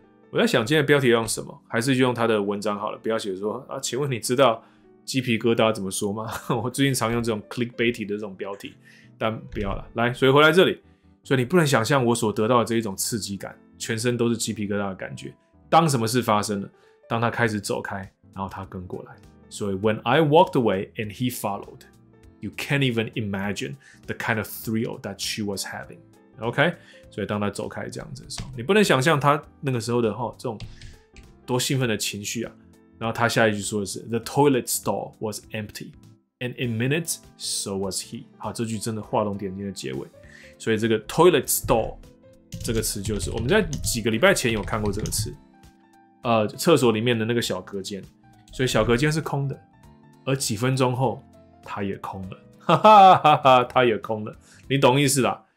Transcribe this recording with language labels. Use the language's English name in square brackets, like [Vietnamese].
[Chinese] 我在想今天的标题要用什么，还是用他的文章好了，不要写说啊，请问你知道鸡皮疙瘩怎么说吗？我最近常用这种 clickbaity 的这种标题，但不要了。来，所以回来这里，所以你不能想象我所得到的这一种刺激感，全身都是鸡皮疙瘩的感觉。当什么事发生了，当他开始走开，然后他跟过来。所以 [English] when I walked away and he followed, you can't even imagine the kind of thrill that she was having. [Chinese] OK， 所以当他走开这样子的时候，你不能想象他那个时候的哈、哦、这种多兴奋的情绪啊。然后他下一句说的是 [English] ：“The toilet stall was empty, and in minutes, so was he。” [Chinese] 好，这句真的画龙点睛的结尾。所以这个 “toilet stall” 这个词就是我们在几个礼拜前有看过这个词，厕所里面的那个小隔间，所以小隔间是空的，而几分钟后他也空了，哈哈哈哈，他也空了，你懂意思啦。